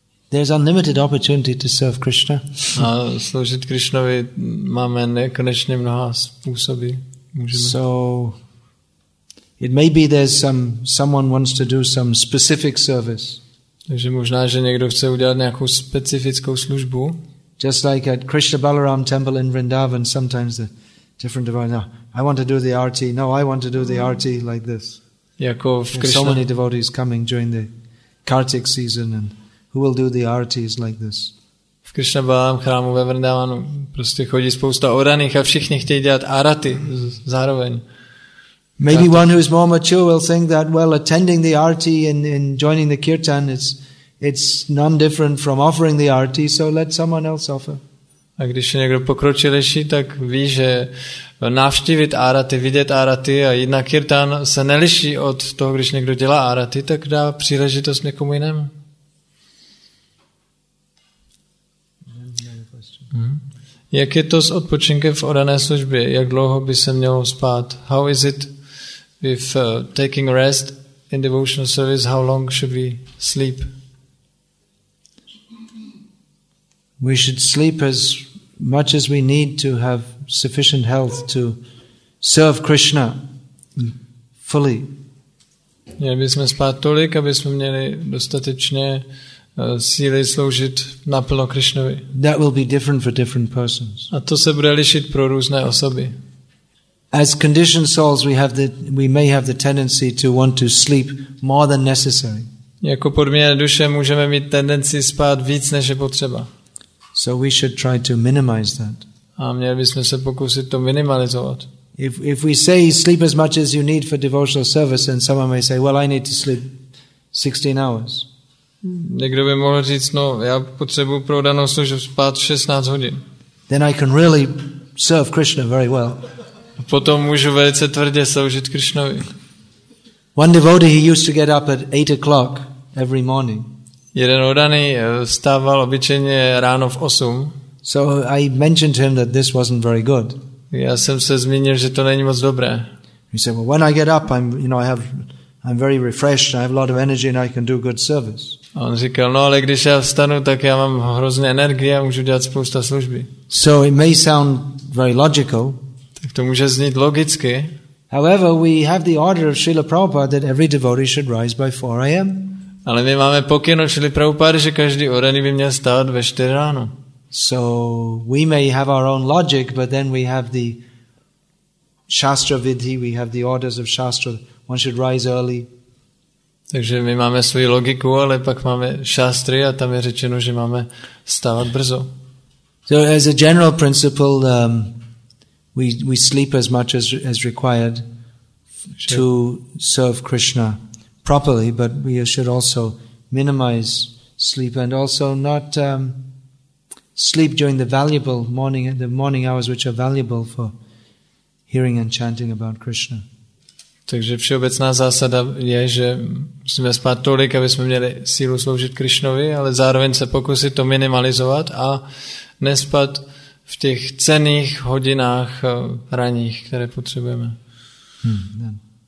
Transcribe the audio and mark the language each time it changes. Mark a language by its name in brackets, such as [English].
[English] And there's unlimited opportunity to serve Krishna. [Czech] A sloužit Krishnovi máme nekonečně mnoha způsoby. Můžeme. [English] So it may be someone wants to do some specific service. [Czech] Takže možná, že někdo chce udělat nějakou specifickou službu. [English] Just like at Krishna Balaram temple in Vrindavan, sometimes the different devotees, no, I want to do the arti like this. [Czech] Jako v Krishna. [English] So many devotees coming during the Kartik season, and who will do the artis like this? [Czech] V Krishna Balaram chrámu ve Vrindavanu prostě chodí spousta oraných a všichni chtějí dělat arati zároveň. [English] Maybe one who is more mature will think that, well, attending the arti and joining the kirtan, it's none different from offering the arti, so let someone else offer. [Czech] A když je někdo pokročilejší, tak ví, že navštívit arati, vidět arati a jít na kirtan se neliší od toho, když někdo dělá arati, tak dá příležitost někomu jinému. Jak je to s odpočinkem v orané službě? Jak dlouho by se mělo spát? [English] How is it with taking rest in devotional service? How long should we sleep? We should sleep as much as we need to have sufficient health to serve Krishna fully. [Czech] Měli bychom spát tolik, aby jsme měli dostatečně síly sloužit naplno Krishnovi. [English] That will be different for different persons. [Czech] A to se bude lišit pro různé osoby. [English] As conditioned souls we may have the tendency to want to sleep more than necessary. [Czech] Jako podmíněné duše můžeme mít tendenci spát víc než je potřeba. [English] So we should try to minimize that. [Czech] A měli bychom se pokusit to minimalizovat. [English] If we say sleep as much as you need for devotional service, then someone may say, well, I need to sleep 16 hours. [Czech] Někdo by mohl říct, no, já potřebuji pro danou službu spát 16 hodin. [English] Then I can really serve Krishna very well. [Czech] Potom můžu velice tvrdě sloužit Krishnovi. [English] One devotee, he used to get up at 8 o'clock every morning. [Czech] Jeden oddaný vstával obyčejně ráno v 8. [English] So I mentioned to him that this wasn't very good. [Czech] Já jsem se zmínil, že to není moc dobré. [English] He said, well, when I get up, I'm very refreshed, I have a lot of energy and I can do good service. [Czech] A on říkal, no, ale když já vstanu, tak já mám hrozně energie a můžu dělat spousta služby. [English] So it may sound very logical. [Czech] Tak to může znít logicky. [English] However, we have the order of Srila Prabhupada that every devotee should rise by 4 a.m. [Czech] Ale my máme pokyn od Srila Prabhupady, že každý oraný by měl stát ve 4 ráno. [English] So we may have our own logic, but then we have the Shastra Vidhi, we have the orders of Shastra. One should rise early. [Czech] Takže my máme svou logiku, ale pak máme šástry a tam je řečeno, že máme stávat brzo. [English] So as a general principle, we sleep as much as required to serve Krishna properly, but we should also minimize sleep and also not sleep during the valuable morning, the morning hours which are valuable for hearing and chanting about Krishna. [Czech] Takže všeobecná zásada je, že musíme spát tolik, aby jsme měli sílu sloužit Krišnovi, ale zároveň se pokusit to minimalizovat a nespat v těch cenných hodinách ranních, které potřebujeme. Hmm.